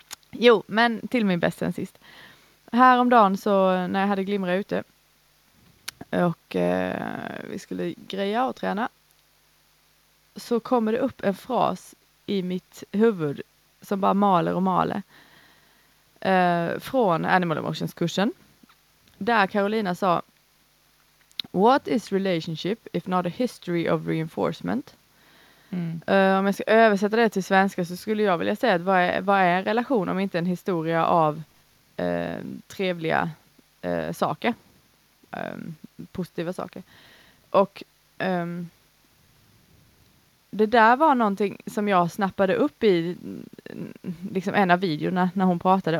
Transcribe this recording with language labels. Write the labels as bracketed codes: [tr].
[sv] Jo, men till min bästa än sist. Häromdagen så när jag hade glimrat ute och vi skulle greja och träna, så kommer det upp en fras i mitt huvud som bara maler och maler. Från Animal Emotions-kursen. Där Carolina sa: [en] "What is relationship if not a history of reinforcement?" Mm. [sv] Om jag ska översätta det till svenska så skulle jag vilja säga att vad är en relation om inte en historia av trevliga saker. Positiva saker. Och det där var någonting som jag snappade upp i liksom en av videorna när hon pratade.